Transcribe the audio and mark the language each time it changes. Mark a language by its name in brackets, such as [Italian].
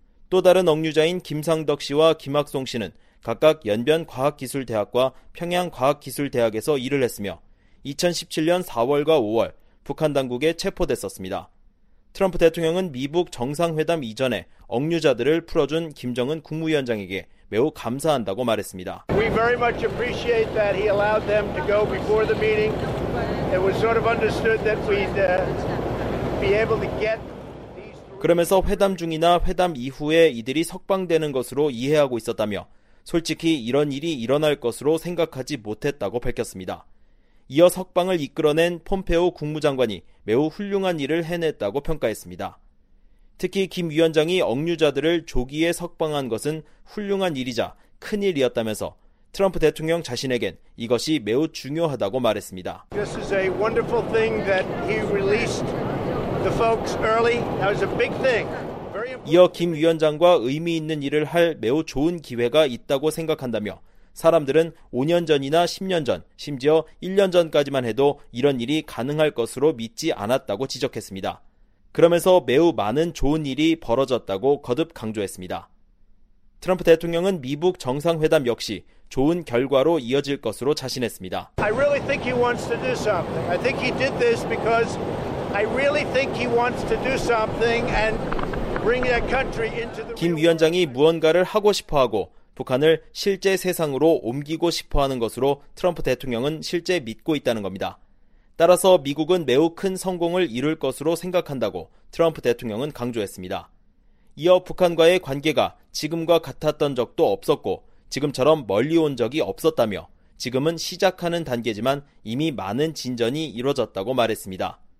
[Korean] 또 다른 억류자인 김상덕 씨와 김학송 씨는 각각 연변과학기술대학과 평양과학기술대학에서 일을 했으며 2017년 4월과 5월 북한 당국에 체포됐었습니다. 트럼프 대통령은 미북 정상회담 이전에 억류자들을 풀어준 김정은 국무위원장에게 매우 감사한다고 말했습니다. [English] We very much appreciate that he allowed them to go before the meeting. It was sort of understood that we'd be able to get. [Korean] 그러면서 회담 중이나 회담 이후에 이들이 석방되는 것으로 이해하고 있었다며 솔직히 이런 일이 일어날 것으로 생각하지 못했다고 밝혔습니다. 이어 석방을 이끌어낸 폼페오 국무장관이 매우 훌륭한 일을 해냈다고 평가했습니다. 특히 김 위원장이 억류자들을 조기에 석방한 것은 훌륭한 일이자 큰 일이었다면서 트럼프 대통령 자신에겐 이것이 매우 중요하다고 말했습니다. [English] This is a wonderful thing that he released the folks early. That was a big thing. [Korean] 이어 김 위원장과 의미 있는 일을 할 매우 좋은 기회가 있다고 생각한다며 사람들은 5년 전이나 10년 전, 심지어 1년 전까지만 해도 이런 일이 가능할 것으로 믿지 않았다고 지적했습니다. 그러면서 매우 많은 좋은 일이 벌어졌다고 거듭 강조했습니다. 트럼프 대통령은 미북 정상회담 역시 좋은 결과로 이어질 것으로 자신했습니다. [English] I really think he wants to do something. I think he did this because I really think he wants to do something and bring that country into the [Korean] 김 위원장이 무언가를 하고 싶어 하고 북한을 실제 세상으로 옮기고 싶어 하는 것으로 트럼프 대통령은 실제 믿고 있다는 겁니다. 따라서 미국은 매우 큰 성공을 이룰 것으로 생각한다고 트럼프 대통령은 강조했습니다. 이어 북한과의 관계가 지금과 같았던 적도 없었고 지금처럼 멀리 온 적이 없었다며 지금은 시작하는 단계지만 이미 많은 진전이 이뤄졌다고 말했습니다.